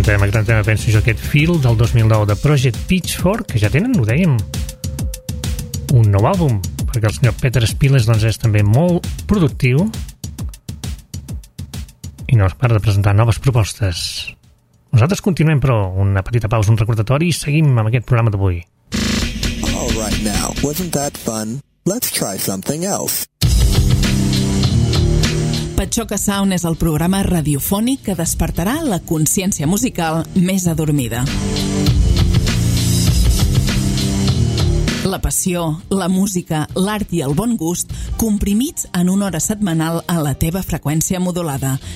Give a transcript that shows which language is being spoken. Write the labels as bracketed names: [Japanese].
[Catalan] gran tema, penso jo, aquest Feel del 2009 de Project Pitchfork, que ja tenen, ho dèiem, un nou àlbum, perquè el senyor Peter Spillers doncs és també molt productiu i no es para de presentar noves propostes. Nosaltres continuem, però una petita pausa, un recordatori, i seguim amb aquest programa d'avui. [English] All right now, wasn't that fun? Let's try something else. [Catalan] Patxoca Sound és el programa radiofònic que despertarà la consciència musical més adormida. La passió, la música, l'art i el bon gust comprimits en una hora setmanal a la teva freqüència modulada.